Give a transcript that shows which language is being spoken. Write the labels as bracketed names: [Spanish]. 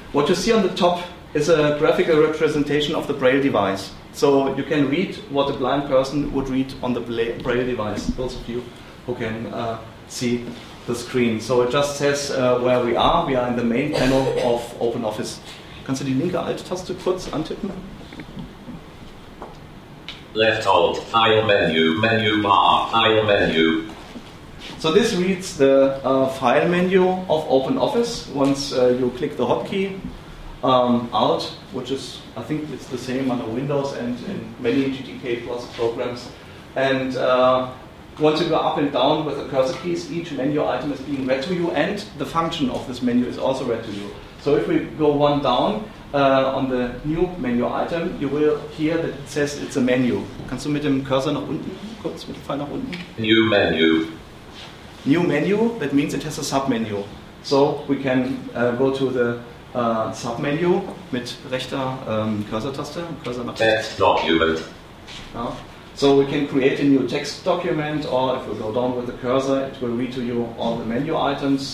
[English] What you see on the top is a graphical representation of the Braille device. So you can read what a blind person would read on the Braille device, those of you who can see the screen. So it just says where we are. We are in the main panel of OpenOffice. [German] Kannst du die linke Alt-Taste kurz antippen? [English] Left Alt, File Menu, Menu Bar, File Menu. So this reads the file menu of OpenOffice once you click the hotkey Alt, which is, I think it's the same on the Windows and in many GTK Plus programs. And once you go up and down with the cursor keys, each menu item is being read to you and the function of this menu is also read to you. So if we go one down on the new menu item, you will hear that it says it's a menu. [German] Kannst du mit dem Cursor nach unten, kurz mit dem Pfeil nach unten? [English] New menu. New menu, that means it has a submenu. So we can go to the submenu [German] mit rechter Cursor-Taste. [English] Cursor nach text document. Yeah. So we can create a new text document, or if we go down with the cursor, it will read to you all the menu items.